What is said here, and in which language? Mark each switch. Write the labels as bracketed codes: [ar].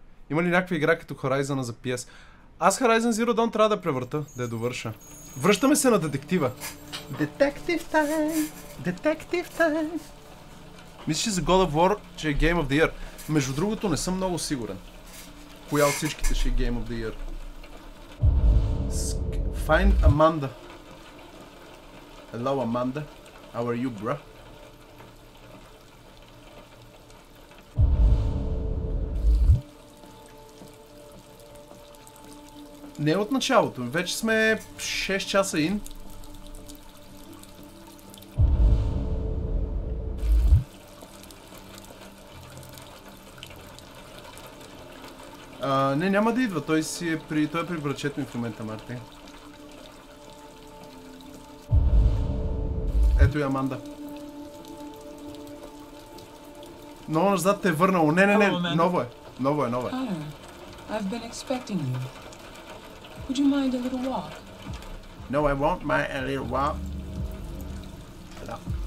[bg] Има ли някаква игра като Horizon за PS? Аз Horizon Zero Dawn трябва да превърта, да я довърша. Връщаме се на детектива. [en] Detective time! Detective time! [bg] Мислиш за God of War, че е Game of the Year? Между другото не съм много сигурен. Коя от всичките ще е Game of the Year? [en] Find Amanda. Hello Amanda. How are you, bruh? [bg] Не от началото, вече сме 6 часа ин. Не, няма да идва, той е при брачето ми в момента, Марти. Ето и Аманда. Много назад те е върнало. Не, [en] hello, [bg] ново е. [en] Hi. I've been expecting you. Would you mind a little walk? No, I won't mind a little walk. No.